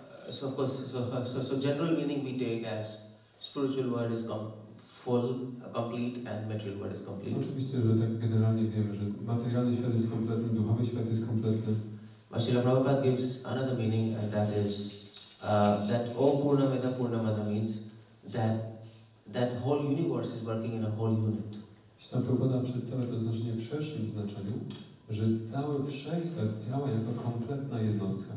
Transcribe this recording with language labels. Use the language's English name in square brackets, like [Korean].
[English] So general meaning we take as spiritual word is complete and material world is complete. [Polish] Oczywiście, że tak generalnie wiemy, że materialny świat jest kompletny, duchowy świat jest kompletny. [English] But Srila Prabhupada gives another meaning, and that is that Om Purnamidam Purnamada means that whole universe is working in a whole unit. [Polish] Srila Prabhupada przedstawia to znaczenie w szerszym znaczeniu, że cały wszechświat działa jako kompletna jednostka.